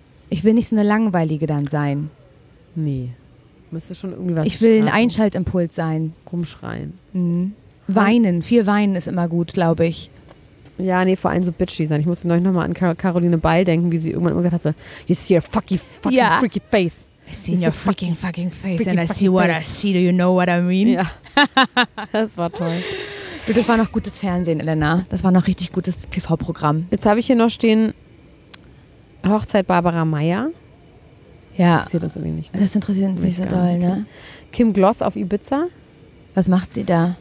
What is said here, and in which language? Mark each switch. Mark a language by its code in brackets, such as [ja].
[de] Ich will nicht so eine Langweilige dann sein. Nee. Müsste schon irgendwie was. Ich will ein Einschaltimpuls sein. Rumschreien. Mhm. Weinen. Viel weinen ist immer gut, glaube ich. Ja, nee, vor allem so bitchy sein. Ich musste neulich nochmal an Caroline Beil denken, wie sie irgendwann gesagt hat: so, [en] you see your fucking freaky face. I see your fucking face and I see what I see. Do you know what I mean? [de] Ja. Das war toll. Das war noch gutes Fernsehen, Elena. Das war noch richtig gutes TV-Programm. Jetzt habe ich hier noch stehen, Hochzeit Barbara Mayer. Ja. Das interessiert uns irgendwie nicht. Ne? Das interessiert uns nicht so doll, ne? Kim Gloss auf Ibiza. Was macht sie da?